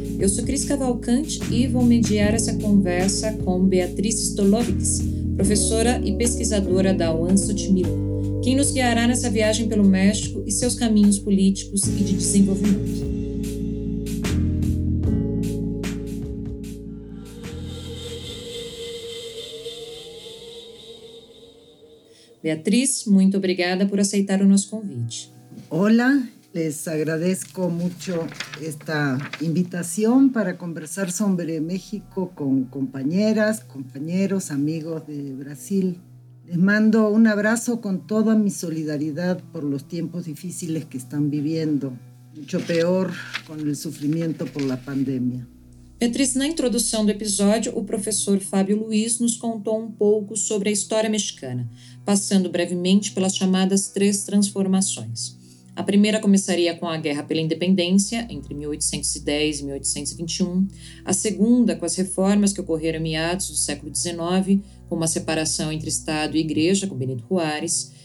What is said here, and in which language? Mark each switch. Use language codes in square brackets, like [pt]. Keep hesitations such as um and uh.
[pt] Eu sou Cris Cavalcante e vou mediar essa conversa com Beatriz Stolovics, professora e pesquisadora da UAN Sotimilco, quem nos guiará nessa viagem pelo México e seus caminhos políticos e de desenvolvimento. Beatriz, muito obrigada por aceitar o nosso convite. [es] Olá, Les agradezco mucho esta invitación para conversar sobre México con compañeras, compañeros, amigos de Brasil. Les mando un abrazo con toda mi solidaridad por los tiempos difíciles que están viviendo, mucho peor con el sufrimiento por la pandemia. [pt] en na introducción do episódio, o profesor Fábio Luiz nos contou um pouco sobre a historia mexicana, passando brevemente pelas chamadas tres transformações. A primeira começaria com a Guerra pela Independência, entre 1810 e 1821. A segunda, com as reformas que ocorreram em meados do século XIX, como a separação entre Estado e Igreja, com Benito Juárez.